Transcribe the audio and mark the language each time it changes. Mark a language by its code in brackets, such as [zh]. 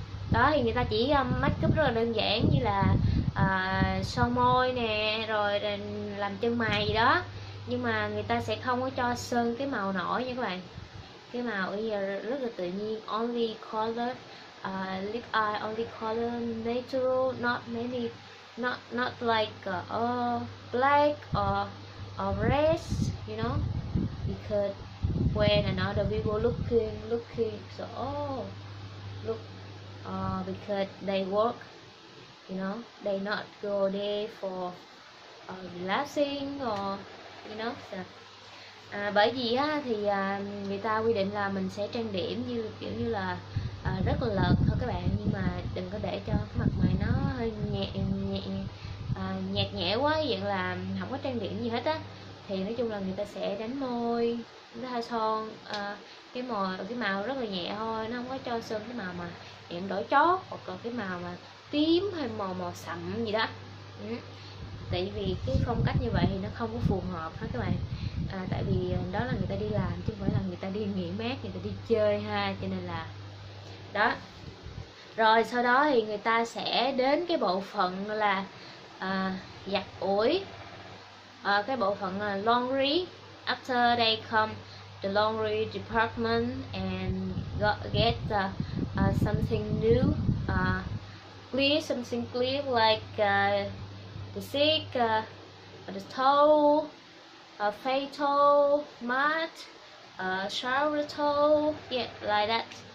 [vi] Đó thì người ta chỉ make up rất là đơn giản như là son môi nè, rồi làm chân mày gì đó. Nhưng mà người ta sẽ không có cho sơn cái màu nổi nha các bạn. Cái màu bây giờ rất là tự nhiên, [en] only color. Lip eye only color natural, not many, not like black or red, you know, because when another people looking, so look, because they work, you know, they not go there for relaxing or you know, so. [vi] Bởi vì á thì người ta quy định là mình sẽ trang điểm như kiểu như là rất là lợt thôi các bạn, nhưng mà đừng có để cho cái mặt mày nó hơi nhẹ nhẹ nhạt nhẽo quá, dạng là không có trang điểm gì hết á. Thì nói chung là người ta sẽ đánh môi, người ta son cái màu rất là nhẹ thôi, nó không có cho sơn cái màu mà dạng đổi chót hoặc là cái màu mà tím hay màu màu sậm gì đó. Tại vì cái phong cách như vậy thì nó không có phù hợp hết các bạn. Tại vì đó là người ta đi làm chứ không phải là người ta đi nghỉ mát, người ta đi chơi ha, cho nên là đó. Rồi sau đó thì người ta sẽ đến cái bộ phận là giặt ủi, cái bộ phận là laundry. [en] After they come the laundry department and get something new, clean something clean like the sink, the towel, face towel, mat, shower towel, yeah, like that.